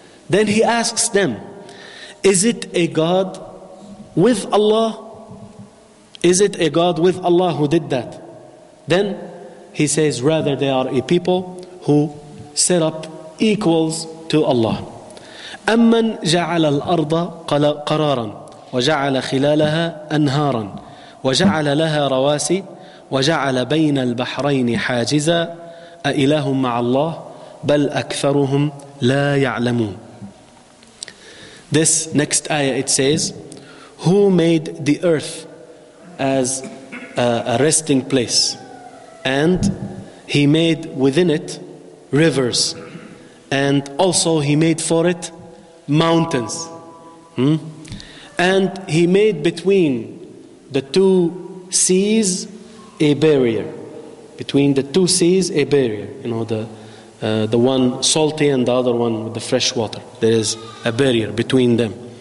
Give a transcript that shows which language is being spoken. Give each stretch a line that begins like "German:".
English: Then he asks them, is it a God with Allah? Is it a God with Allah who did that? Then he says rather they are a people who set up equals to Allah.
Arabic: أمن جعل الأرض قرارا وجعل خلالها أنهارا وجعل لها رواسي وجعل بين البحرين حاجزا أإله مع الله بل أكثرهم لا يعلمون.
English: This next ayah it says, who made the earth as a resting place, and he made within it rivers, and also he made for it mountains, and he made between the two seas a barrier, between the two seas a barrier, you know, the one salty and the other one with the fresh water, there is a barrier between them.